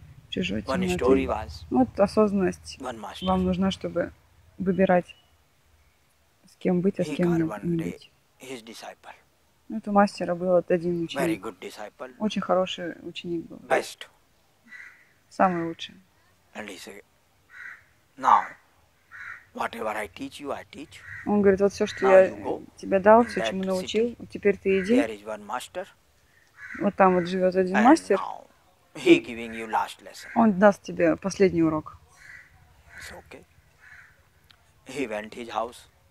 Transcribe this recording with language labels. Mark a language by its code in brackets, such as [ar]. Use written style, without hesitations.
[ru] Чужой темноты. Вот осознанность вам нужна, чтобы выбирать, с кем быть, а с кем не быть. Это мастера был один ученик. Очень хороший ученик был. [en] Best. [ru] Самый лучший. [en] And he said, now, whatever I teach you, I teach. [ru] Он говорит, вот все, что now я тебе дал, все, чему научил, city. Теперь ты иди. [en] There is one master. [ru] Вот там вот живет один [en] And [ru] мастер. [en] He giving you last lesson. [ru] Он даст тебе последний урок. [en] It's okay. He went to his house.